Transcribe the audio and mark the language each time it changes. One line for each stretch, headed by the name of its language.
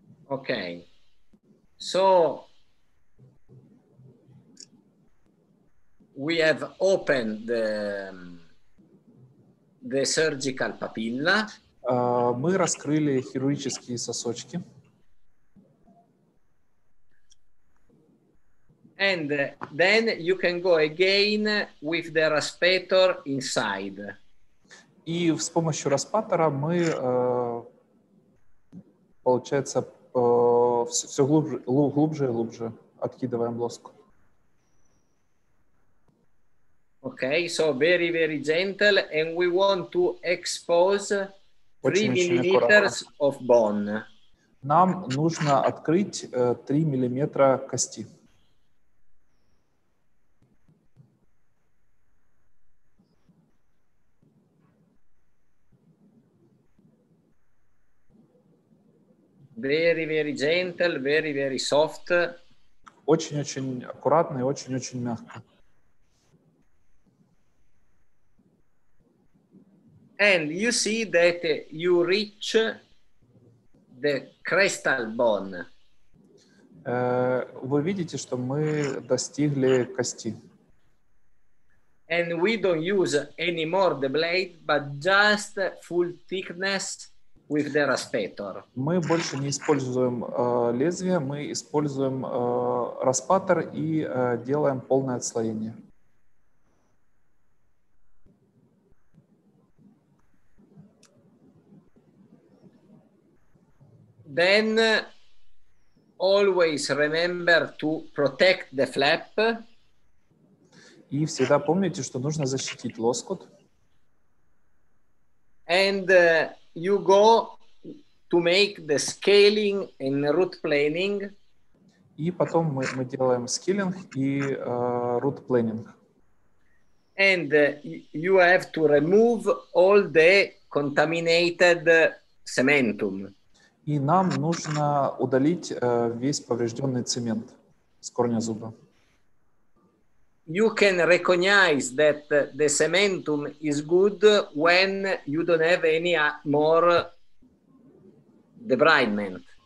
English: Okay. So we have opened the surgical papilla.
Russian: Мы раскрыли хирургические сосочки.
English: And then you can go again with the raspator inside.
Russian: И с помощью распатора мы, получается, все глубже и глубже откидываем лоску.
English: Okay, so very, very gentle, and we want to expose 3 millimeters of bone.
Russian: Нам нужно открыть 3 миллиметра кости.
English: Very, very gentle, very, very soft.
Russian: Очень-очень аккуратно и очень-очень мягко.
English: And you see that you reach the crestal bone.
Russian: Вы видите, что мы достигли кости.
English: And we don't use any more the blade, but just full thickness with the raspator.
Russian: Мы больше не используем лезвие, мы используем распатор и делаем полное отслоение.
English: Then always remember to protect the flap.
Russian: И всегда помните, что нужно защитить лоскут.
English: And you go to make the scaling and root planing.
Russian: И потом мы делаем скейлинг и root planing.
English: And you have to remove all the contaminated cementum.
Russian: И нам нужно удалить весь поврежденный цемент с корня зуба.
English: You can recognize that the cementum is good when you don't have any more debridement.